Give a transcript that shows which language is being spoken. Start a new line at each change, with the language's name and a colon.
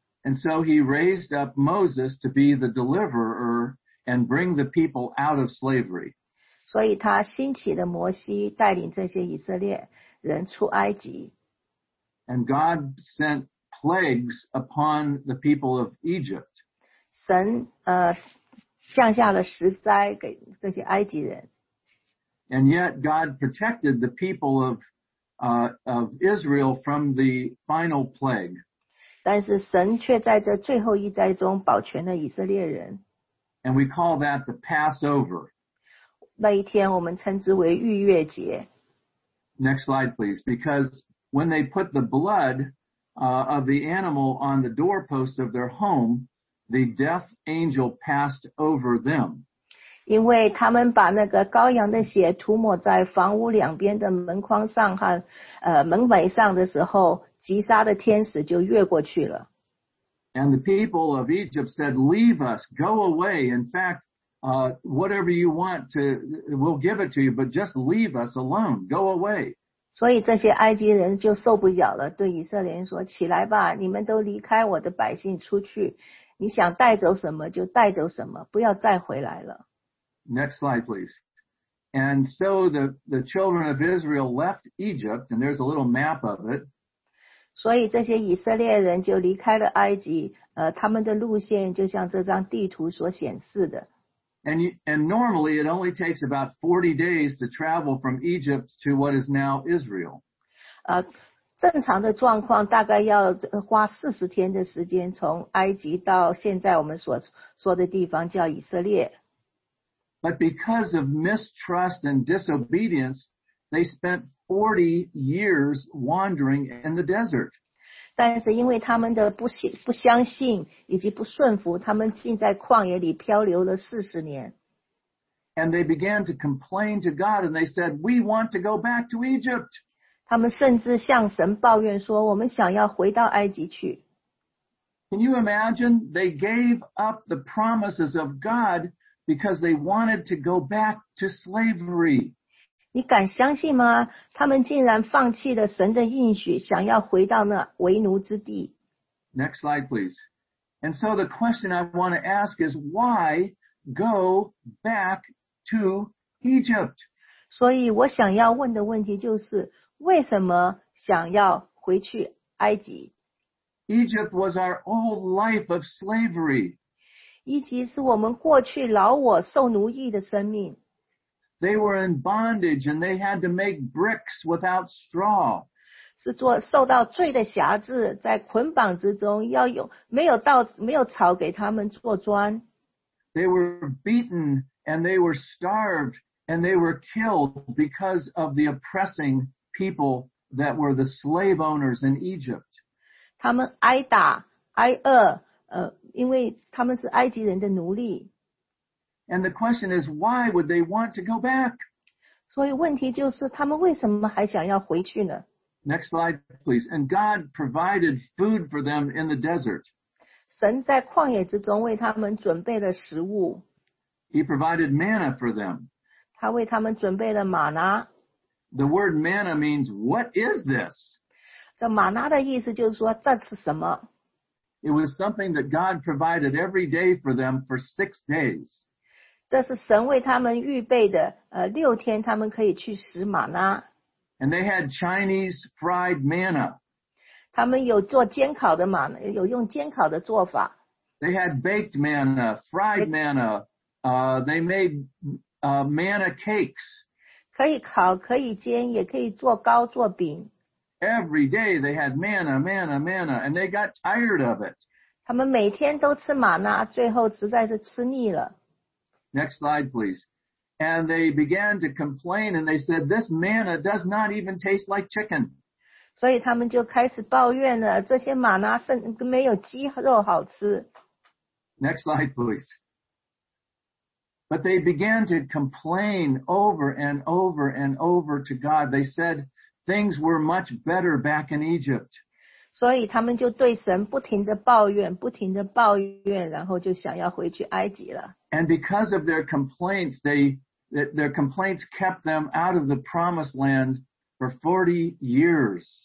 English: And so he raised up Moses to be the deliverer and bring the people out of slavery.
Chinese: 所以他兴起了摩西，带领这些以色列人出埃及。
English: And God sent plagues upon the people of Egypt.
Chinese: 神降下了十灾给这些埃及人。
English: And yet God protected the people of Israel from the final plague.
Chinese: 但是神却在这最后一灾中保全了以色列人。
English: And we call that the Passover.
Chinese: 那一天我们称之为逾越节。
English: Next slide, please. Because when they put the blood of the animal on the doorpost of their home, the death angel passed over them.
Chinese: 因为他们把那个羔羊的血涂抹在房屋两边的门框上和门楣上的时候，击杀的天使就越过去了。
English: And the people of Egypt said, leave us, go away. In fact, whatever you want, we'll give it to you, but just leave us alone, go away.
Chinese: 所以这些埃及人就受不了了，对以色列人说，起来吧，你们都离开我的百姓出去，你想带走什么就带走什么，不要再回来了。
English: Next slide, please. And so the children of Israel left Egypt, and there's a little map of it.
Chinese: 所以这些以色列人就离开了埃及，他们的路线就像这张地图所显示的。
English: And normally it only takes about 40 days to travel from Egypt to what is now Israel.
Chinese: 正常的状况大概要花40天的时间从埃及到现在我们所说的地方叫以色列。
English: But because of mistrust and disobedience, they spent 40 years wandering in the desert.
Chinese: 但是因为他们的不相信以及不顺服，他们竟在旷野里漂流了40年。
English: And they began to complain to God and they said, we want to go back to Egypt.
Chinese: 他们甚至向神抱怨说，我们想要回到埃及去。
English: Can you imagine? They gave up the promises of God because they wanted to go back to slavery.
Chinese: 你敢相信吗？他们竟然放弃了神的应许，想要回到那为奴之地。
English: Next slide, please. And so the question I want to ask is, why go back to Egypt?
Chinese: 所以我想要问的问题就是，为什么想要回去埃及？
English: Egypt was our old life of slavery.
Chinese: 埃及是我们过去老我受奴役的生命。
English: They were in bondage and they had to make bricks without straw.
Chinese: 是做受到罪的辖制，在捆绑之中，要用没有稻没有草给他们做砖。
English: They were beaten and they were starved and they were killed because of the oppressing people that were the slave owners in Egypt.
Chinese: 他们挨打挨饿，因为他们是埃及人的奴隶。
English: And the question is, why would they want to go back?
Chinese: 所以问题就是他们为什么还想要回去呢？
English: Next slide, please. And God provided food for them in the desert.
Chinese: 神在旷野之中为他们准备了食物。
English: He provided manna for them.
Chinese: 他为他们准备了玛拿。
English: The word manna means, what is this?
Chinese: 这玛拿的意思就是说这是什么？
English: It was something that God provided every day for them for 6 days.
Chinese: 这是神为他们预备的，六天他们可以去食玛拿。
English: And they had Chinese fried manna.
Chinese: 他们有做煎烤的玛拿，有用煎烤的做法。
English: They had baked manna, fried manna, they made manna cakes.
Chinese: 可以烤，可以煎，也可以做糕，做饼。
English: Every day they had manna, manna, manna, and they got tired of it.
Chinese: 他们每天都吃玛拿，最后实在是吃腻了。
English: Next slide, please. And they began to complain and they said, this manna does not even taste like chicken.
Chinese: 所以他们就开始抱怨了，这些玛拿是没有鸡肉好吃。
English: Next slide, please. But they began to complain over and over and over to God. They said, things were much better back in Egypt.
Chinese: 所以他们就对神不停地抱怨，不停地抱怨，然后就想要回去埃及了。
English: And because of their complaints, their complaints kept them out of the promised land for 40 years.